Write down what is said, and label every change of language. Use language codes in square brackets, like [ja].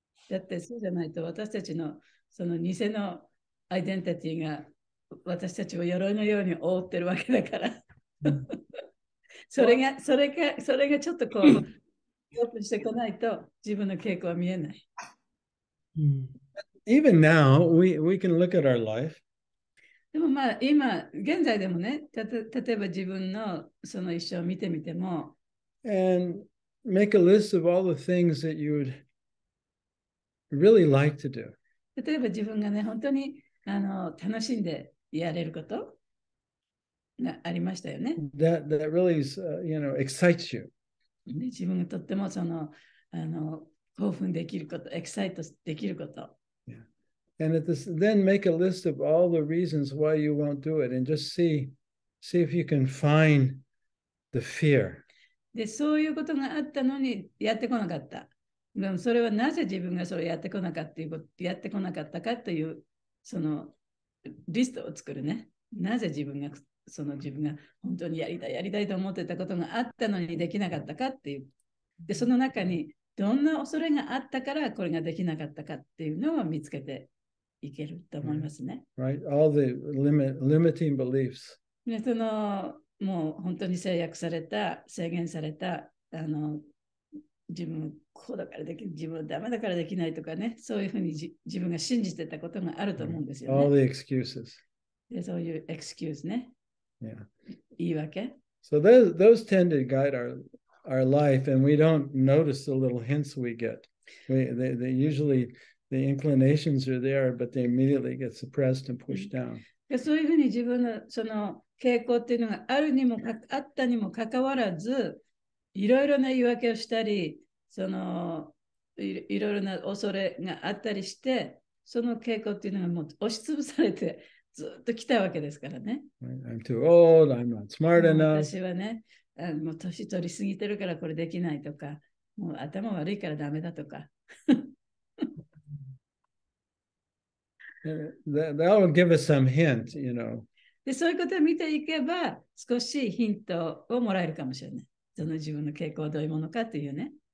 [ja] だってそうじゃないと私たちのその偽のアイデンティティが私たちを鎧のように覆ってるわけだから、それがちょっとこうオープンしてこないと自分の傾向は見えない。 [en] Even now, we can look at our life. [ja] でもまあ今現在でもね、例えば自分のその一生を見てみても、 [en] and make a list of all the things that you would really like to do. [ja] 例えば自分がね、本当にあの楽しんでやれることがありましたよね。 [en] That really is, you know, excites you. [ja] 自分がとってもその、あの、興奮できること、excite できること。 [en] Yeah. And at this, then make a list of all the reasons why you won't do it and just see if you can find the fear. [ja] で、そういうことがあったのにやってこなかった。でもそれはなぜ自分がそれをやってこなかったやってこなかったかというそのリストを作るね。なぜ自分がその自分が本当にやりたいと思ってたことがあったのにできなかったかっていう。で、その中にどんな恐れがあったからこれができなかったかっていうのを見つけていけると思いますね。 [en] Right. All the limiting beliefs. [ja] そのもう本当に制約された、制限された、あの、自分こうだからできる、自分はダメだからできないとかね、そういうふうに自分が信じてたことがあると思うんですよね。 [en] All the excuses. [ja] で、そういう excuse ね。 [en] Yeah. [ja] 言い訳。 [en] So those tend to guide our life, and we don't notice the little hints we get. They usually The inclinations are there, but they immediately get suppressed and pushed down. [ja] そういうふうに自分のその傾向っていうのがあるにもかあったにもかかわらず、いろいろな言い訳をしたり、そのいろいろな恐れがあったりして、その傾向っていうのがもう押しつぶされてずっと来たわけですからね。 [en] I'm too old. I'm not smart enough. [ja] 私はね、もう年取りすぎてるからこれできないとか、もう頭悪いからダメだとか。 [en] That will give us some hint, you know. [ja] で、そういうことを見ていけば、少しヒントをもらえるかもしれない。その自分の傾向はどういうものかというね。